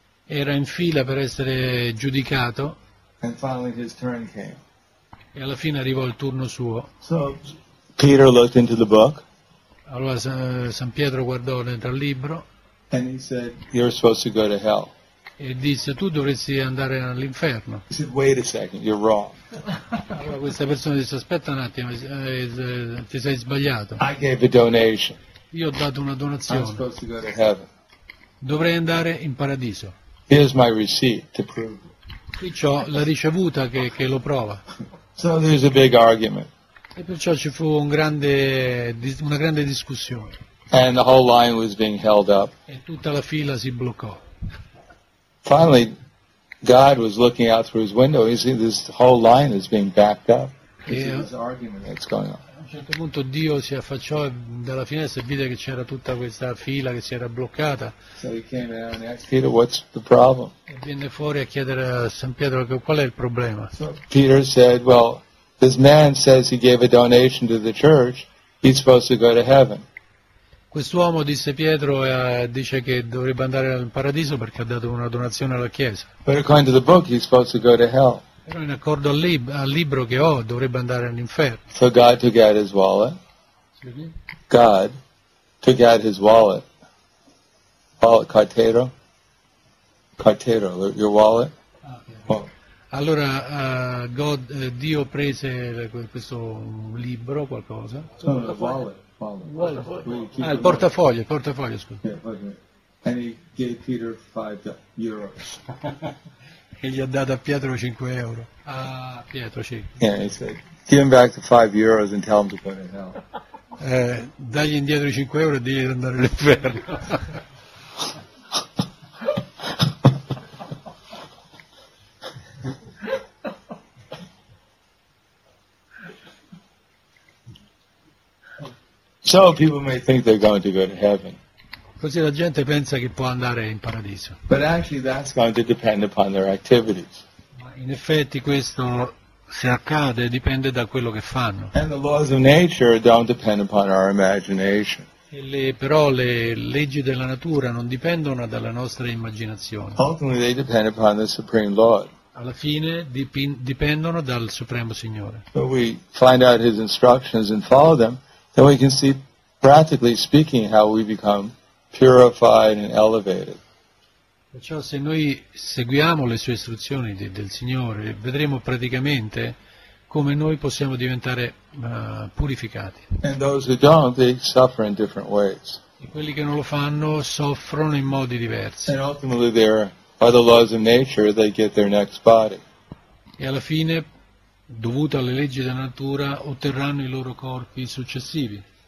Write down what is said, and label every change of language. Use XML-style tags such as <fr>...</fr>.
<it>Era in fila per essere giudicato.</it> <en>And finally his turn came.</en> <it>E alla fine arrivò il turno suo.</it> <en>So Peter looked into the book.</en> <it>Allora San Pietro guardò dentro al libro</it> <en>and he said, you're supposed to go to hell.</en> <it>e disse tu dovresti andare all'inferno.</it> <en>He said, wait a second, you're wrong.</en> <it>Allora questa persona disse aspetta un attimo, ti sei sbagliato.</it> <en>I gave a donation.</en> <it>Io ho dato una donazione.</it> <en>I'm supposed to go to heaven.</en> <it>Dovrei andare in paradiso.</it> <en>Here's my receipt to prove.</en> <it>Qui c'ho la ricevuta che lo prova.</it> <en>So there's a big argument.</en> <it>E perciò ci fu una grande discussione.</it> <en>And the whole line was being held up.</en> <it>E tutta la fila si bloccò.</it> <en>Finally, God was looking out through His window. He said, "This whole line is being backed up." This argument that's going on.</en> <it>A un certo punto Dio si affacciò dalla finestra e vide che c'era tutta questa fila che si era bloccata.</it> <en>So he came out and asked Peter, "What's the problem?"</en> <it>E venne fuori a chiedere a San Pietro qual è il problema.</it> <en>So Peter said, "Well, this man says he gave a donation to the church. He's supposed to go to heaven."</en> <it>Quest'uomo, disse Pietro, dice che dovrebbe andare al paradiso perché ha dato una donazione alla Chiesa.</it> <en>But according to the book, he's supposed to go to hell.</en> <it>Però in accordo al libro che ho, dovrebbe andare all'inferno.</it> <en>So God took out his wallet. God took out his wallet. Wallet, cartero? Cartero, your wallet?</en> <it>Ah, okay. Oh. Allora, Dio prese questo libro, qualcosa.</it> <en>No, no, wallet.</en> <it>Ah, il portafoglio, scusa.</it> <en>Yeah, and he gave Peter 5 euros.</en> <it>E gli ha dato a Pietro 5 euro. Ah, Pietro, sì.</it> <en>Yeah, he said, give him back the 5 euros and tell him to go to hell.</en> <it>Dagli indietro i 5 euro e digli di andare all'inferno.</it> <en>So people may think they're going to go to heaven.</en> <it>Così la gente pensa che può andare in paradiso.</it> <en>But actually that's going to depend upon their activities.</en> <it>Ma in effetti questo, se accade, dipende da quello che fanno.</it> <en>And the laws of nature don't depend upon our imagination.</en> <it>Però le leggi della natura non dipendono dalla nostra immaginazione.</it> <en>Ultimately they depend upon the Supreme Lord.</en> <it>Alla fine dipendono dal Supremo Signore.</it> <en>So we find out His instructions and follow them. Then we can see, practically speaking, how we become purified and elevated.</en> <it>Perciò se noi seguiamo le sue istruzioni del Signore, vedremo praticamente come noi possiamo diventare purificati.</it> <en>And those who don't, they suffer in different ways.</en> <it>E quelli che non lo fanno soffrono in modi diversi.</it> <en>And ultimately, there by the laws of nature, they get their next body.</en> <it>E alla fine, dovuto alle leggi della natura, otterranno i loro corpi successivi.</it>